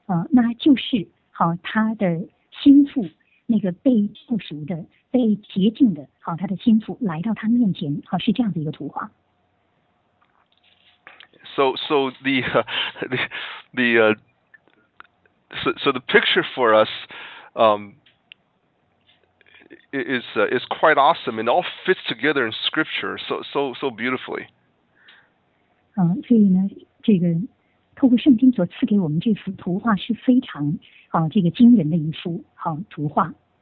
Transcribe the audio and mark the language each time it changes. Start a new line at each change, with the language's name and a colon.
Chinese: 那就是他的心腹，那个被救赎的、被洁净的，他的心腹来到他面前，是这样的一个图画。
English: So the picture for us, is quite awesome and all fits together in scripture so beautifully.
Chinese: 所以呢，这个透过圣经所赐给我们这幅图画是非常这个惊人的一幅图画。